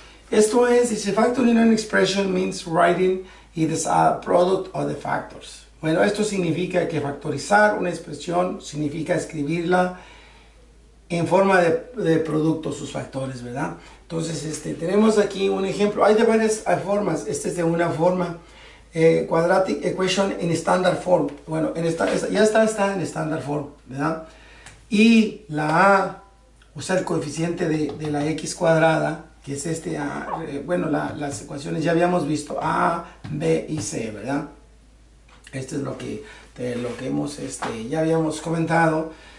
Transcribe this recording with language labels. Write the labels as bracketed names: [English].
[Spanish] Esto es, dice, [English] factoring an expression means writing it as a product of the factors. [Spanish] Bueno, esto significa que factorizar una expresión significa escribirla en forma de producto, sus factores, ¿verdad? Entonces, tenemos aquí un ejemplo. Hay de varias formas. Este es de una forma. [English] Quadratic equation in standard form. [Spanish] Bueno, está en standard form, ¿verdad? Y la A, o sea, el coeficiente de la X cuadrada, que es este A. Bueno, las ecuaciones ya habíamos visto. A, B y C, ¿verdad? Esto es lo que hemos, ya habíamos comentado.